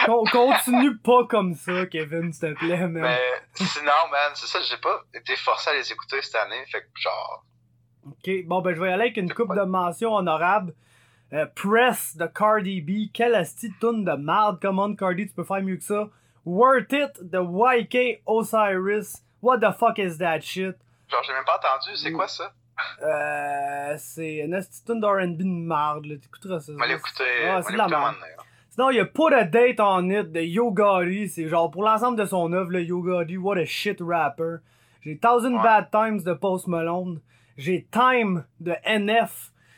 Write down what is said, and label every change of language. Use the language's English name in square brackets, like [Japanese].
[French] Continue pas comme ça, Kevin, s'il te plaît, man. Mais sinon, man, c'est ça, j'ai pas été forcé à les écouter cette année, fait que genre. Ok, bon, ben je vais y aller avec une couple de mentions honorables. Press de Cardi B, quelle astie tune de marde. [English] Come on, [French] Cardi, tu peux faire mieux que ça. [English] Worth It de YK Osiris, what the fuck is that shit? [French] Genre, j'ai même pas entendu, c'est quoi ça? C'est une astitune d'R&B de marde, là. T'écouteras ça. Mais c'est de la merde. Sinon, il y a Put a Date on It de Yo Gotti. C'est genre pour l'ensemble de son œuvre, là. Yo Gotti, [English] what a shit rapper. [French] J'ai Thousand Bad Times de Post Malone. J'ai Time de NF.